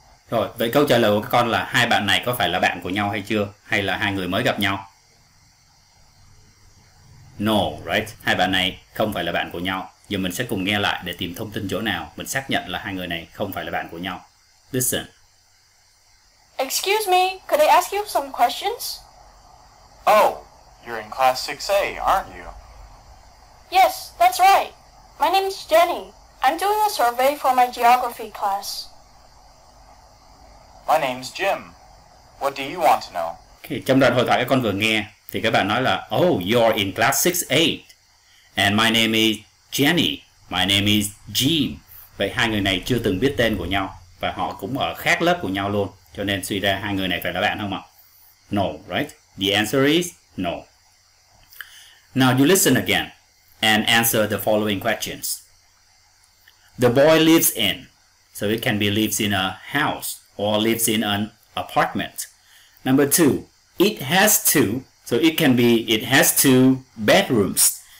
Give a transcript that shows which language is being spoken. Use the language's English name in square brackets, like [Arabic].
[Vietnamese] Rồi, vậy câu trả lời của các con là hai bạn này có phải là bạn của nhau hay chưa? Hay là hai người mới gặp nhau? [English] No, right? [Vietnamese] Hai bạn này không phải là bạn của nhau. Giờ mình sẽ cùng nghe lại để tìm thông tin chỗ nào mình xác nhận là hai người này không phải là bạn của nhau. [English] Listen. Excuse me, could I ask you some questions? Oh, you're in class 6A, aren't you? Yes, that's right. My name's Jenny. I'm doing a survey for my geography class. My name's Jim. What do you want to know? [Vietnamese] Okay, trong đoạn hội thoại các con vừa nghe, thì các bạn nói là, [English] oh, you're in class 6A. And my name is Jenny. My name is Jim. [Vietnamese] Vậy hai người này chưa từng biết tên của nhau, và họ cũng ở khác lớp của nhau luôn. Cho nên suy ra hai người này phải là bạn không ạ? [English] No, right? The answer is no. Now you listen again and answer the following questions. The boy lives in, so it can be lives in a house or lives in an apartment. Number two, it has two, so it can be it has two bedrooms.